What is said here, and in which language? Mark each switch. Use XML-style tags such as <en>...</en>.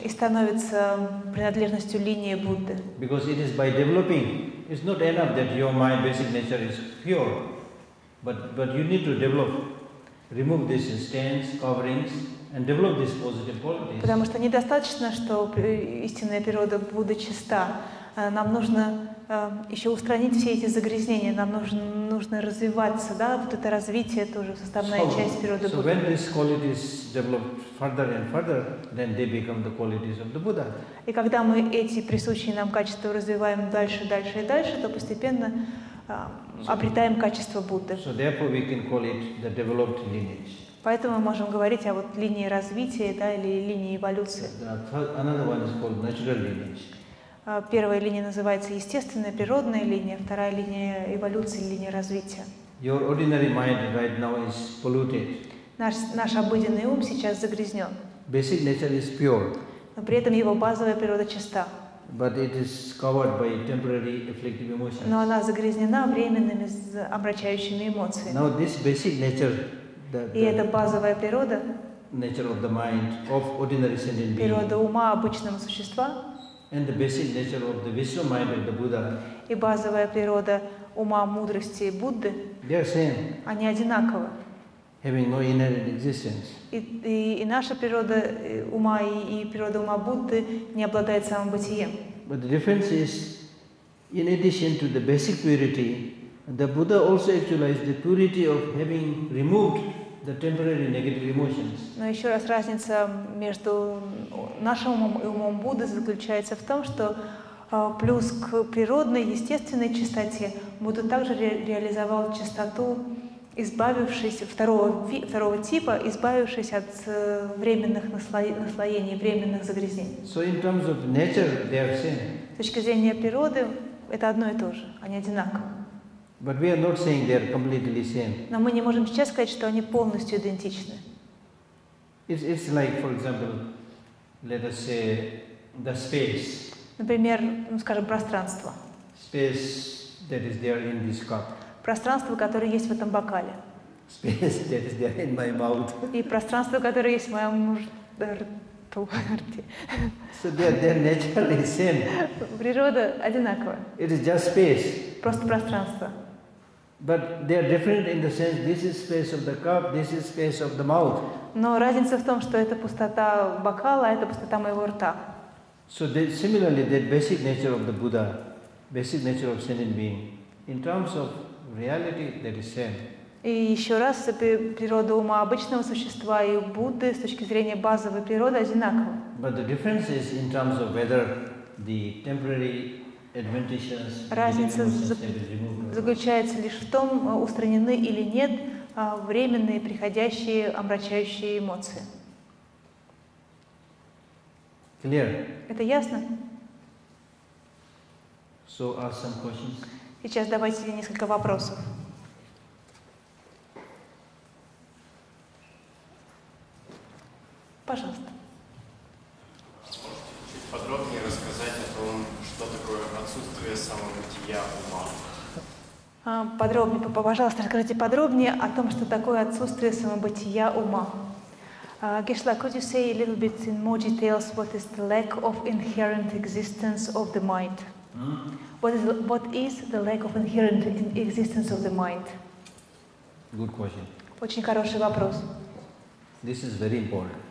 <ru>И становится принадлежностью линии Будды.</ru> <en>Because it is by developing, it's not enough that your mind basic nature is pure, but you need to develop, remove these stains, coverings, and develop these positive qualities.</en> <ru>Потому что недостаточно, что истинная природа Будды чиста. Нам нужно еще устранить все эти загрязнения. Нам нужно развиваться, да? Вот это развитие тоже составная часть природы Будды.</ru> <en>So when these qualities develop further and further, then they become the qualities of the Buddha.</en> <ru>И когда мы эти присущие нам качества развиваем дальше, дальше и дальше, то постепенно обретаем качество Будды.</ru> <en>So therefore we can call it the developed lineage.</en> <ru>Поэтому мы можем говорить о вот линии развития, да, или линии эволюции.</ru> <en>Another one is called natural lineage.</en> <ru>Первая линия называется естественная, природная линия, вторая линия эволюции, линия развития.</ru> <en>Your ordinary mind right now is polluted.</en> <ru>Наш обыденный ум сейчас загрязнен.</ru> <en>Basic nature is pure.</en> <ru>Но при этом его базовая природа чиста.</ru> <en>But it is covered by temporary afflictive emotions.</en> <ru>Но она загрязнена временными омрачающими эмоциями.</ru> <en>Now this basic nature, the</en> <ru>и эта базовая природа,</ru> <en>nature of the mind of ordinary sentient being,</en> <ru>природа ума обычного существа,</ru> <en>and the basic nature of the wisdom mind of the Buddha.</en> <ru>И базовая природа ума мудрости Будды.</ru> <en>They are same.</en> <ru>Они одинаковы.</ru> <en>Having no inherent existence.</en> <ru>И наша природа ума и природа ума Будды не обладает самобытием.</ru> <en>But the difference is, in addition to the basic purity, the Buddha also actualized the purity of having removed the temporary negative emotions.</en> <ru>Но еще раз разница между нашим умом и умом Будды заключается в том, что плюс к природной, естественной чистоте, Будда также реализовал чистоту, избавившись второго типа, избавившись от временных наслоений, временных загрязнений.</ru> <en>So in terms of nature, they are same.</en> <ru>С точки зрения природы, это одно и то же, они одинаковы.</ru> <en>But we are not saying they are completely same.</en> <ru>Но мы не можем сейчас сказать, что они полностью идентичны.</ru> <en>It's like, for example, let us say the space.</en> <ru>Например, ну, скажем, пространство.</ru> <en>Space that is there in this cup.</en> <ru>Пространство, которое есть в этом бокале.</ru> <en>Space that is there in my mouth.</en> <ru>И пространство, которое есть в моем рту.</ru> <en>So they're naturally same.</en> <ru>Природа одинаковая.</ru> <en>It is just space.</en> <ru>Просто пространство.</ru> <en>But they are different in the sense this is space of the cup, this is space of the mouth.</en> <ru>Но разница в том, что это пустота бокала, а это пустота моего рта.</ru> <en>So similarly, the basic nature of the Buddha, basic nature of sentient being, in terms of reality, that is same.</en> <ru>И еще раз, природа ума обычного существа и Будды с точки зрения базовой природы одинаковы.</ru> <en>But the difference is in terms of whether the temporary advantages.</en> <ru>Разница заключается лишь в том, устранены или нет временные, приходящие, омрачающие эмоции.</ru> <en>Clear.</en> <ru>Это ясно?</ru> <en>So ask some questions.</en> <ru>Сейчас давайте несколько вопросов. Пожалуйста. Сможете чуть подробнее рассказать о том, что такое отсутствие самобытия ума? Подробнее, пожалуйста, расскажите подробнее о том, что такое отсутствие самобытия ума.</ru> <en>Гешла, could you say a little bit in more details what is the lack of inherent existence of the mind? What is the lack of inherent existence of the mind? Good question.</en> <ru>Очень хороший вопрос.</ru> <en>This is very important.</en>